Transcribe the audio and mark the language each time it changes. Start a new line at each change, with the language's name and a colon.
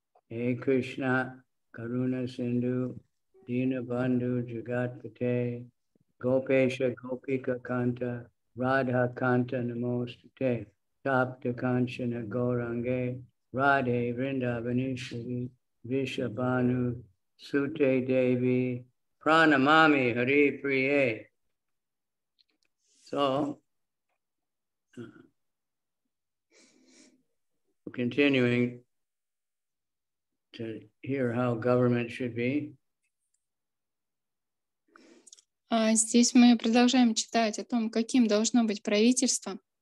Sanskrit: Хе Кришна Каруна Синду Дина Банду Джагатпате Гопеша Гопика Канта Радха Канта Намостуте Тапта Канчана Горанге Радхе Вриндаванишвари Вишабану Суте Деви Пранамами Хари Прие.
English: So, continuing to hear how government should be.
Russian: Здесь мы продолжаем читать о том, каким должно быть правительство.